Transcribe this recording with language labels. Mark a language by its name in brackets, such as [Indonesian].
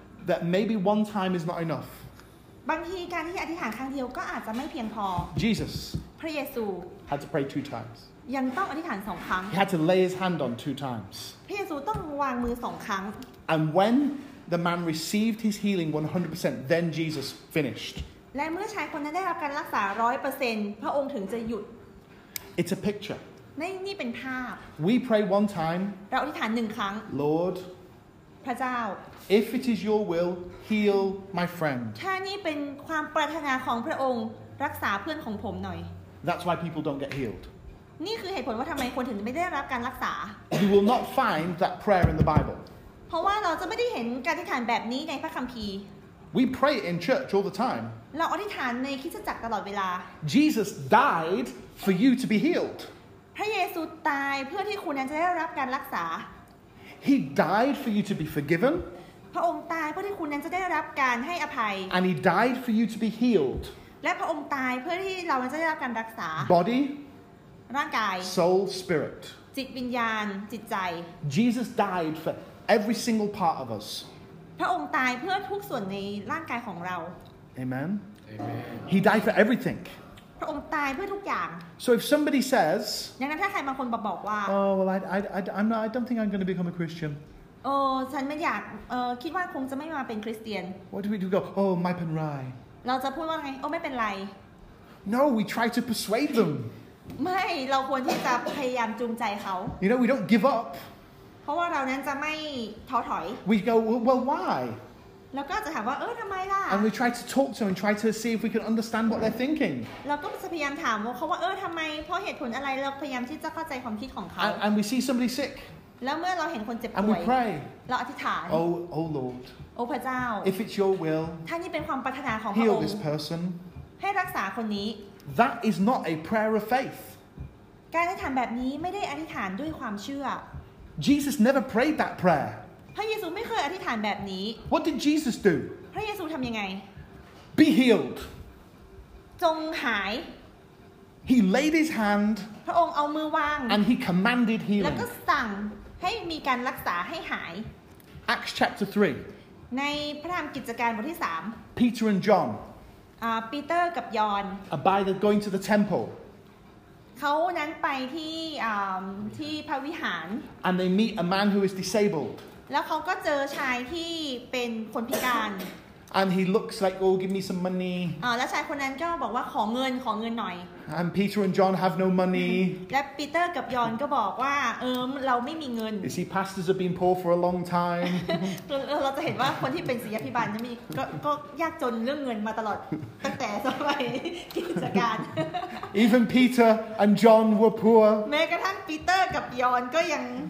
[English] That maybe one time is not enough [Thai] บางทีการที่อธิษฐานครั้งเดียวก็อาจจะไม่เพียงพอ [English] Jesus [Thai] พระเยซู [English] had to pray 2 times [Thai] ยังต้องอธิษฐาน2ครั้ง [English] He had to lay his hand on 2 times [Thai] พระเยซูต้องวางมือ2ครั้ง [English] And when the man received his healing 100% then Jesus finished [Thai] และเมื่อชายคนนั้นได้รับการรักษา 100% พระองค์ถึงจะหยุด [English] It's a picture [Thai] นี่เป็นภาพ [English] We pray one time [Thai] เราอธิษฐาน1ครั้ง [English] Lord [Thai] พระเจ้า [English] If it is your will heal my friend [Thai] ถ้านี่เป็นความปรารถนาของพระองค์รักษาเพื่อนของผมหน่อย [English] That's why people don't get healed [Thai] นี่คือเหตุผลว่าทำไมคนถึงไม่ได้รับการรักษา [English] You will not find that prayer in the Bible [Thai] เพราะว่าเราจะไม่ได้เห็นการอธิษฐานแบบนี้ในพระคัมภีร์ [English] We pray in church all the time. [Thai] เราอธิษฐานในคริสตจักรตลอดเวลา [English] Jesus died for you to be healed. [Thai] พระเยซูตายเพื่อที่คุณนั้นจะได้รับการรักษา [English] He died for you to be forgiven. [Thai] พระองค์ตายเพื่อที่คุณนั้นจะได้รับการให้อภัย [English] And he died for you to be healed. [Thai] และพระองค์ตายเพื่อที่เรานั้นจะได้รับการรักษา [English] Body. [Thai] ร่างกาย [English] Soul, spirit. [Thai] จิตวิญญาณจิตใจ [English] Jesus died for every single part of us. [Thai] พระองค์ตายเพื่อทุกส่วนในร่างกายของเรา [English] Amen. Amen. He died for everything. [Thai] พระองค์ตายเพื่อทุกอย่าง [English] So if somebody says, [Thai] ดังนั้นถ้าใครบางคนบอกว่า [English] Oh well, I don't think I'm going to become a Christian. [Thai] Oh, ฉันไม่อยากคิดว่าคงจะไม่มาเป็นคริสเตียน [English] What do we do? Go, oh, [Thai] my pen rye. เราจะพูดว่าไง Oh, ไม่เป็นไร [English] No, we try to persuade them. [Thai] ไม่เราควรที่จะพยายามจูงใจเขา [English] You know, we don't give up. [Thai] เพราะว่าเรานั้นจะไม่ท้อถอย [English] We go well why [Thai] แล้วก็จะถามว่าทำไมล่ะ [English] And we try to talk to them and try to see if we can understand what they're thinking [Thai] แล้วก็พยายามถามเขาว่าทำไมเพราะเหตุผลอะไรเราพยายามที่จะเข้าใจความคิดของเขา [English] And we see somebody sick [Thai] แล้วเมื่อเราเห็นคนเจ็บป่วย [English] And we pray [Thai] เราอธิษฐาน [English] Oh Lord [Thai] โอ้พระเจ้า [English] If it's your will [Thai] ถ้านี่เป็นความปรารถนาของพระองค์ [English] Heal this person [Thai] ให้รักษาคนนี้ [English] That is not a prayer of faith [Thai] การอธิษฐานแบบนี้ไม่ได้อธิษฐานด้วยความเชื่อ [English] Jesus never prayed that prayer. [Thai] พระเยซูไม่เคยอธิษฐานแบบนี้ [English] What did Jesus do? [Thai] พระเยซูทำยังไง [English] Be healed. [Thai] จงหาย [English] He laid his hand. [Thai] พระองค์เอามือวาง [English] And he commanded healing. [Thai] แล้วก็สั่งให้มีการรักษาให้หาย [English] Acts chapter 3. [Thai] ในพระธรรมกิจการบทที่3 [English] Peter and John. [Thai] ปีเตอร์กับยอห์น [English] By going to the temple. [Thai] ขานั้นไปที่ที่พระวิหาร [English] and they meet a man who is disabled [Thai] แล้วเขาก็เจอชายที่เป็นคนพิการ [English] and he looks like oh give me some money [Thai] แล้วชายคนนั้นก็บอกว่าขอเงินขอเงินหน่อย [English] and Peter and John have no money [Thai] และปีเตอร์กับยอนก็บอกว่าเราไม่มีเงิน [English] you see pastors have been poor for a long time [Thai] เราจะเห็นว่าคนที่เป็นศิษยาภิบาลจะมีก็ยากจนเรื่องเงินมาตลอดตั้งแต่สมัยกิจการ [English] even Peter and John were poor [Thai] แม้กระทั่งปีเตอร์กับยอนก็ยัง